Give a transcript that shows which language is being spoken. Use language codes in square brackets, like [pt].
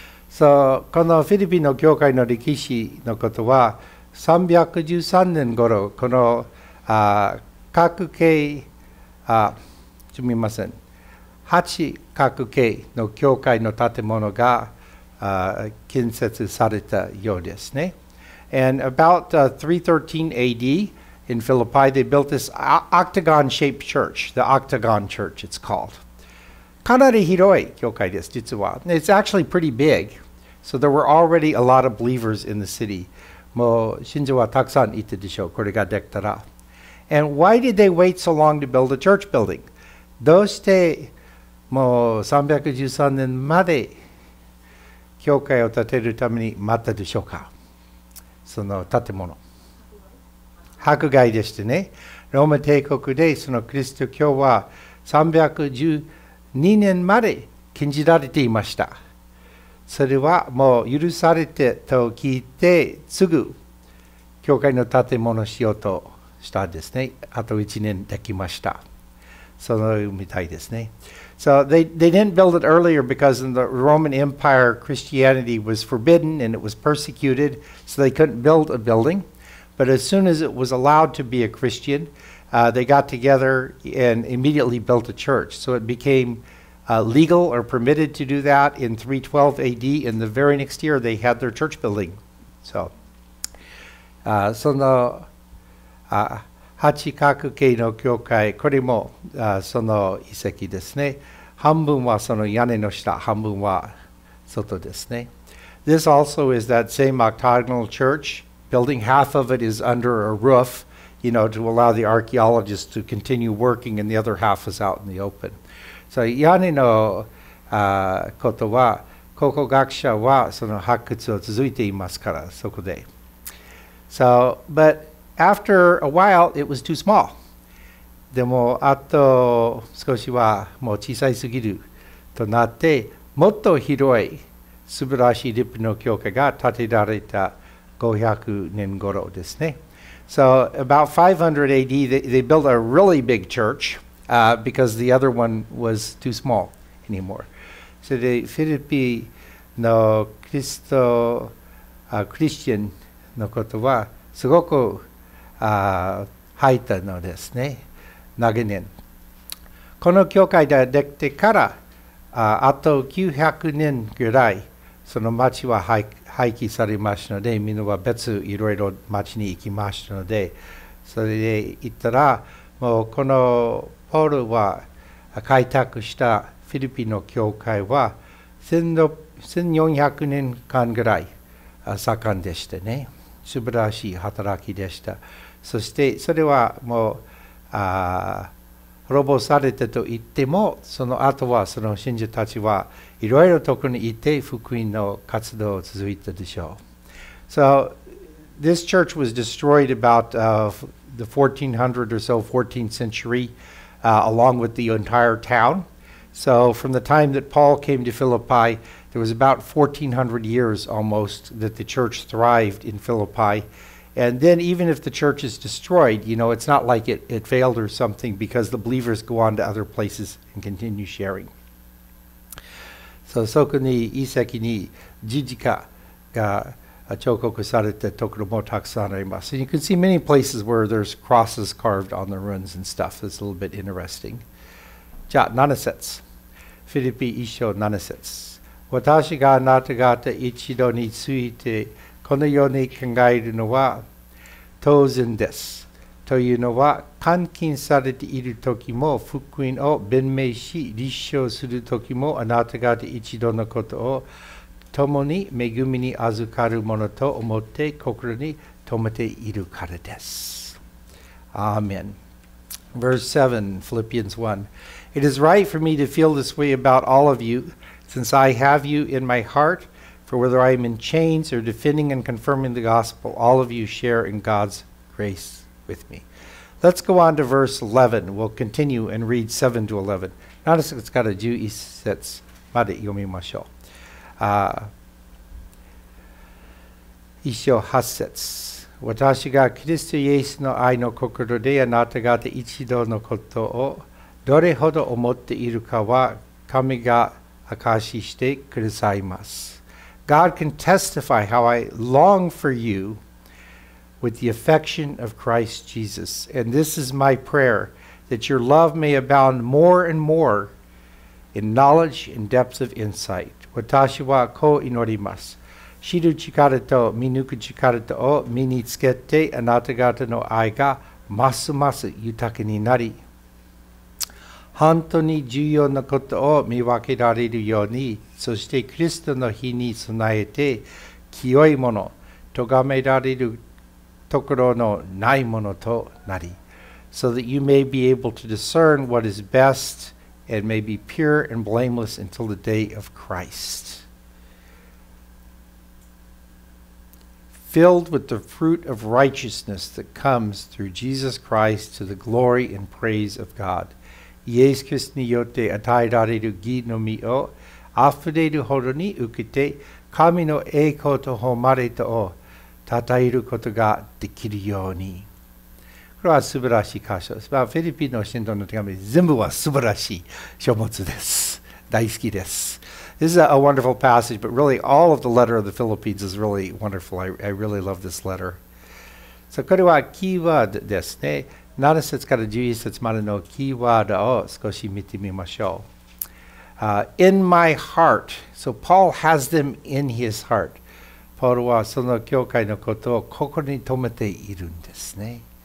[ja] So, このフィリピンの教会の歴史のことは、313年頃、この8角形の教会の建物が建設されたようですね。 [en] And about 313 AD in Philippi, they built this octagon-shaped church, the octagon church it's called. [ja] かなり広い教会です、実は。 [en] It's actually pretty big. So there were already a lot of believers in the city. [ja] もう信者はたくさんいたでしょう、これができたら。 [en] And why did they wait so long to build a church building? [ja] どうしてもう313年まで教会を建てるために待ったでしょうか？その建物。迫害でしてね。ローマ帝国でそのキリスト教は312年まで禁じられていました。それはもう許されてと聞いてすぐ教会の建物しようとしたですね。あと1年できました。そのみたいですね。 [en] So they didn't build it earlier because in the Roman Empire, Christianity was forbidden and it was persecuted, so they couldn't build a building. But as soon as it was allowed to be a Christian, they got together and immediately built a church. So it became legal or permitted to do that in 312 AD. And the very next year, they had their church building. [ja] その八角形の教会、これもその遺跡ですね。半分はその屋根の下、半分は外ですね。 [en] This also is that same octagonal church building. Half of it is under a roof, you know, to allow the archaeologists to continue working, and the other half is out in the open. [ja] So 屋根のことは、考古学者はその発掘を続いていますから、そこで。 [en] So, but... After a while, it was too small. [ja] でもあと少しはもう小さいすぎるとなって、もっと広い素晴らしい立派な教会が建てられた500年頃ですね。 [en] So about 500 AD, they built a really big church because the other one was too small anymore. [ja] So the Philippi のキリスト、クリスチャンのことはすごく入ったのですね。長年この教会ができてから、あと900年ぐらいその町は廃棄されましたので、みんなは別いろいろ町に行きましたので、それで行ったら、もうこのポールは開拓したフィリピの教会は1400年間ぐらい盛んでしたね。素晴らしい働きでした。そしてそれはもう滅ぼされたと言っても、その後はその信者たちはいろいろところにいて福音の活動を続いたでしょう。 [en] So this church was destroyed about the 1400 or so 14th century along with the entire town. So from the time that Paul came to Philippi, there was about 1400 years almost that the church thrived in Philippi. And then even if the church is destroyed, you know, it's not like it failed or something, because the believers go on to other places and continue sharing. [ja] So, そこに遺跡に十字架が彫刻されたところもたくさんあります。 [en] And you can see many places where there's crosses carved on the ruins and stuff. That's a little bit interesting. [ja] じゃあ、7節。フィリピ一章7節。私があなた方一度についてこのように考えるのは当然です。というのは、監禁されている時も、福音を弁明し、立証する時も、あなた方一度のことを共に恵みに預かるものと思って心に留めているからです。 [en] アーメン。Verse 7, Philippians 1. It is right for me to feel this way about all of you, since I have you in my heart. For whether I am in chains or defending and confirming the gospel, all of you share in God's grace with me. Let's go on to verse 11. We'll continue and read 7 to 11. [ja] 7節から11節まで読みましょう。一章八節。私がキリストイエスの愛の心であなた方一同のことをどれほど思っているかは神が証ししてくださいます。 [en] God can testify how I long for you with the affection of Christ Jesus. And this is my prayer, that your love may abound more and more in knowledge and depth of insight. [ja] 私はこう祈ります。知る力と見抜く力とを身につけて、あなた方の愛がますます豊かになり、本当に重要なことを見分けられるように、そしてキリストの日に備えて、清いもの、咎められるところのないものとなり、 [en] So that you may be able to discern what is best and may be pure and blameless until the day of Christ. Filled with the fruit of righteousness that comes through Jesus Christ to the glory and praise of God. [ja] イエス・キリストによって与えられる義の実を溢れるほどに受けて、神の栄光と誉れとを称えることができるように。これは素晴らしい箇所です。フィリピの信徒の手紙、全部は素晴らしい書物です。大好きです。 [en] This is a wonderful passage, but really all of the letter of the Philippines is really wonderful. I really love this letter. [ja] So これはキーワードですね。 7節から11節までのキーワードを少し見てみましょう。 [en] In my heart. So Paul has them in his heart. [ja] ポールはその教会のことを心に留めているんですね。